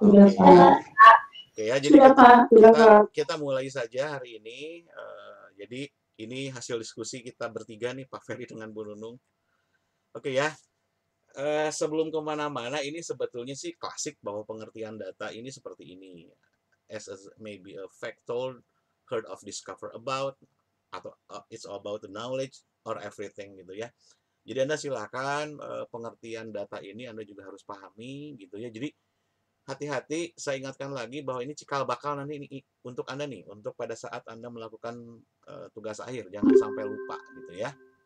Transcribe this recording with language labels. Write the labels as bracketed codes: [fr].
[id] Oke. Oke ya, jadi sudah, Pak. kita Sudah, Pak. kita mulai saja hari ini. Jadi ini hasil diskusi kita bertiga nih, Pak Ferry dengan Bu Nunung. Oke ya. Sebelum kemana-mana, ini sebetulnya sih klasik bahwa pengertian data ini seperti ini. [en] As a, maybe a fact told, heard of, discover about, atau it's all about the knowledge or everything gitu ya. [id] Jadi Anda silakan pengertian data ini Anda juga harus pahami gitu ya. Jadi hati-hati, saya ingatkan lagi bahwa ini cikal bakal nanti ini untuk Anda nih, untuk pada saat Anda melakukan tugas akhir, jangan sampai lupa gitu ya.